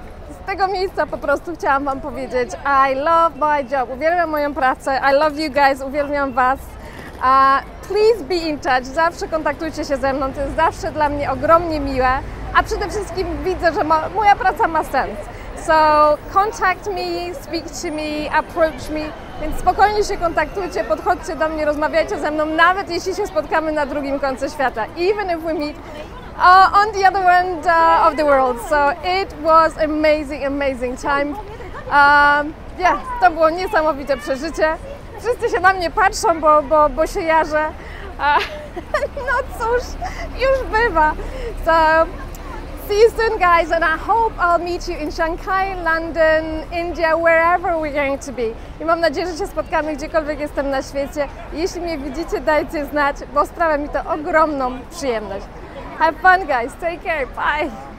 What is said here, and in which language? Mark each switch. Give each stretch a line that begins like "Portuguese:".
Polish: Z tego miejsca po prostu chciałam wam powiedzieć
English: I love my job,
Polish: uwielbiam moją pracę,
English: I love you guys,
Polish: uwielbiam was.
English: Please be in touch,
Polish: zawsze kontaktujcie się ze mną, to jest zawsze dla mnie ogromnie miłe. A przede wszystkim widzę, że moja praca ma sens.
English: So contact me, speak to me, approach me.
Polish: Więc spokojnie się kontaktujcie, podchodźcie do mnie, rozmawiajcie ze mną, nawet jeśli się spotkamy na drugim końcu świata.
English: Even if we meet on the other end of the world. So it was amazing, amazing time.
Polish: Yeah, to było niesamowite przeżycie. Wszyscy się na mnie patrzą, bo się jarzę. No cóż, już bywa.
English: So see you soon guys and I hope I'll meet you in Shanghai, London, India, wherever we're going to be.
Polish: I mam nadzieję, że się spotkamy gdziekolwiek jestem na świecie. Jeśli mnie widzicie, dajcie znać, bo sprawia mi to ogromną przyjemność.
English: Have fun, guys. Take care. Bye.